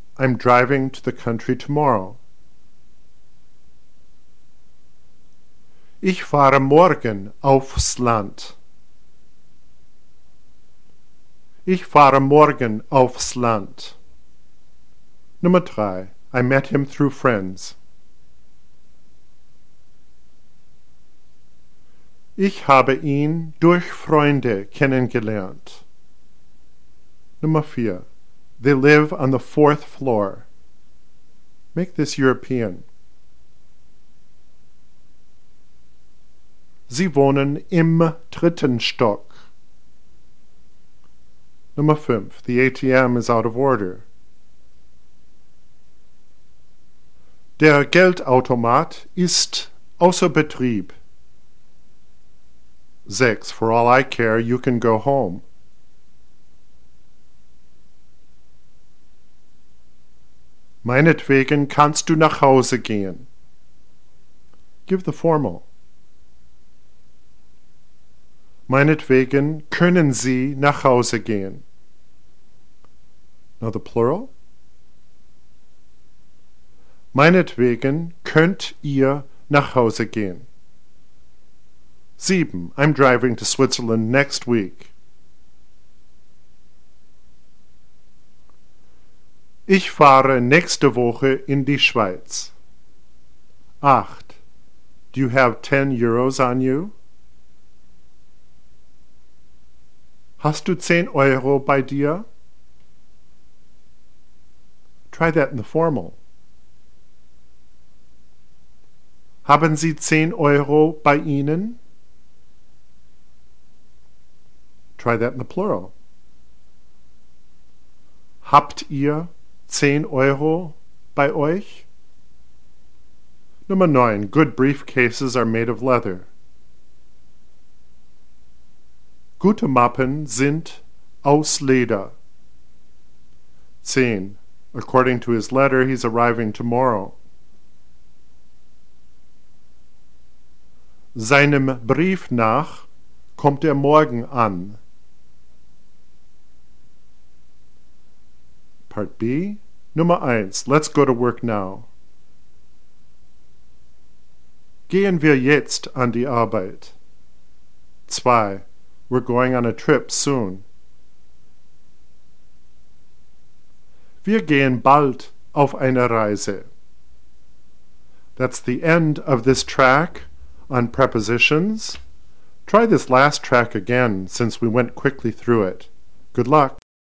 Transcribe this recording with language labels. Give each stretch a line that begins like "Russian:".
English: I'm driving to the country tomorrow.
German: Ich fahre morgen aufs Land. Ich fahre morgen aufs Land. Nummer 3.
English: I met him through friends.
German: Ich habe ihn durch Freunde kennengelernt. Nummer 4.
English: They live on the fourth floor. Make this European.
German: Sie wohnen im dritten Stock. Nummer 5.
English: The ATM is out of order.
German: Der Geldautomat ist außer Betrieb. 6.
English: For all I care, you can go home.
German: Meinetwegen kannst du nach Hause gehen.
English: Give the formal.
German: Meinetwegen können Sie nach Hause gehen.
English: Now the plural.
German: Meinetwegen könnt ihr nach Hause gehen. 7.
English: I'm driving to Switzerland next week.
German: Ich fahre nächste Woche in die Schweiz. 8.
English: Do you have 10 euros on you?
German: Hast du 10 Euro bei dir?
English: Try that in the formal.
German: Haben Sie 10 Euro bei Ihnen?
English: Try that in the plural.
German: Habt ihr 10 Euro bei euch?
English: Number 9. Good briefcases are made of leather.
German: Gute Mappen sind aus Leder. 10.
English: According to his letter, he's arriving tomorrow.
German: Seinem Brief nach kommt morgen an.
English: Part B. Number 1. Let's go to work now.
German: Gehen wir jetzt an die Arbeit. 2.
English: We're going on a trip soon.
German: Wir gehen bald auf eine Reise.
English: That's the end of this track on prepositions. Try this last track again, since we went quickly through it. Good luck.